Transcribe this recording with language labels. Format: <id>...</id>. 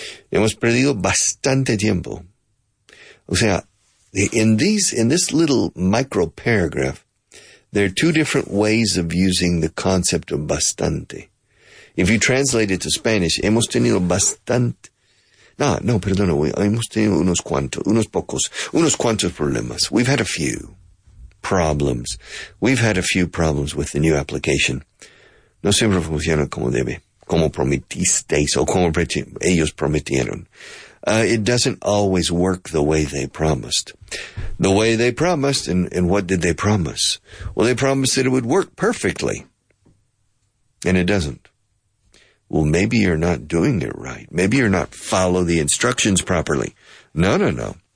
<es>Hemos perdido bastante tiempo. O sea,</es> <en>in this little micro paragraph, there are two different ways of using the concept of bastante. If you translate it to Spanish,</en> <es>hemos tenido bastante. Hemos tenido unos cuantos problemas.</es> <en>We've had a few problems. We've had a few problems with the new application.</en> <es>No siempre funciona como debe, como prometisteis o como ellos prometieron.</es> <en>It doesn't always work the way they promised. The way they promised, and what did they promise? Well, they promised that it would work perfectly. And it doesn't. Well, maybe you're not doing it right. Maybe you're not following the instructions properly. No.</en>